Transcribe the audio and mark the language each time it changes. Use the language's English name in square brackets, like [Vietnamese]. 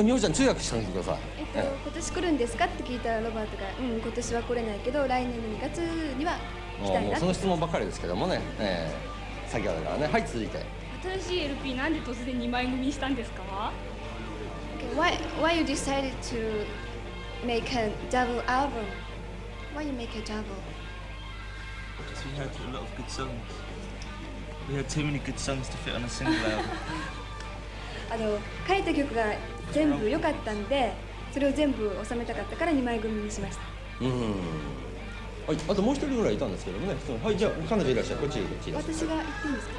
[Japanese] あ、みほちゃん、通訳してください。今年来るんですかって聞いたロバートが、うん、今年は来れないけど、来年の2月には来たいなって。もうその質問ばかりですけどもね、先ほどからね。はい、続いて。新しい LP、なんで突然2枚組にしたんですか？ [English] Okay, why you decided to make a double album? Why you make a double? Because we had a lot of good songs. We had too many good songs to fit on a single album. [Japanese] 書いた曲が全部良かったんで、それを全部収めたかったから2枚組にしました。はい、あともう一人ぐらいいたんですけどもね。はい、じゃあ彼女いらっしゃい、こっちいらっしゃい。私が行っていいですか。